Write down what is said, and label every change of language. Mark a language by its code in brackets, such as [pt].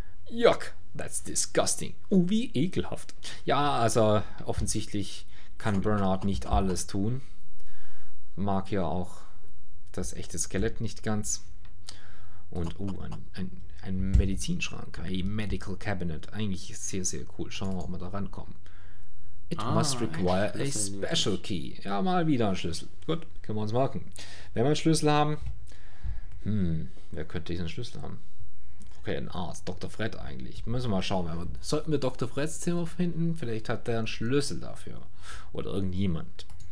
[en] Yuck, that's disgusting. [de] Wie ekelhaft. Ja, also offensichtlich kann Bernard nicht alles tun. Mag ja auch das echte Skelett nicht ganz. Und ein Medizinschrank, ein Medical Cabinet. Eigentlich sehr, sehr cool. Schauen wir, ob wir da rankommen. [en] It must require a special key. [de] Ja, mal wieder ein Schlüssel. Gut, können wir uns merken. Wenn wir einen Schlüssel haben, wer könnte diesen Schlüssel haben? Okay, ein Arzt, Dr. Fred eigentlich. Müssen wir mal schauen. Sollten wir Dr. Freds Zimmer finden? Vielleicht hat der einen Schlüssel dafür. Oder irgendjemand.